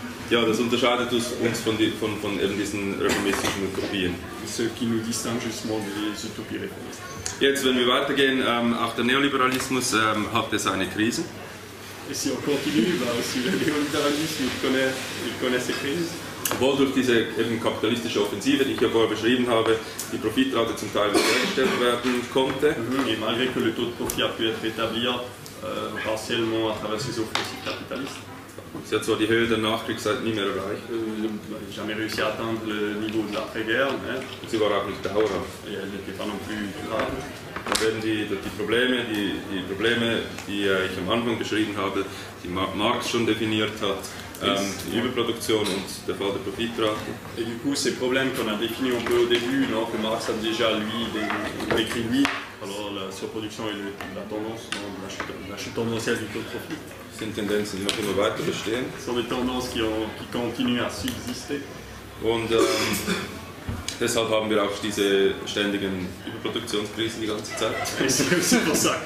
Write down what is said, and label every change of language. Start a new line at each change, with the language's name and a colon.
German: ja, das unterscheidet uns von eben diesen reformistischen Utopien.
French: Ce qui nous distingue justement des utopies réformistes.
German: Jetzt, wenn wir weitergehen, auch der Neoliberalismus hatte seine Krise.
French: Et si on continue, aussi le néolibéralisme, il connaît ses crises.
German: Obwohl durch diese eben kapitalistische Offensive, die ich ja vorher beschrieben habe, die Profitrate zum Teil wiederhergestellt werden konnte.
French: Et malgré que le taux de profit a pu être établi partiellement à travers ces offensives capitalistes.
German: Sie hat zwar die Höhe der Nachkriegszeit nie mehr erreicht.
French: Jamais réussi à atteindre le niveau de l'après-guerre, mais.
German: Sie war auch nicht dauerhaft.
French: Ja, elle n'était pas non plus durable.
German: Da werden die Probleme, die ich am Anfang beschrieben habe, die Marx schon definiert hat, die Überproduktion und der Fall der Profitrate.
French: Et du coup, ces problèmes qu'on a définis un peu au début, non, que Marx a déjà lui décrit lui, alors la surproduction et la tendance, non, la chute tendancielle du taux de profit.
German: Sind Tendenzen, die noch immer weiter bestehen.
French: Sont des tendances qui continuent à subsister.
German: Und deshalb haben wir auch diese ständigen Überproduktionskrisen die ganze Zeit.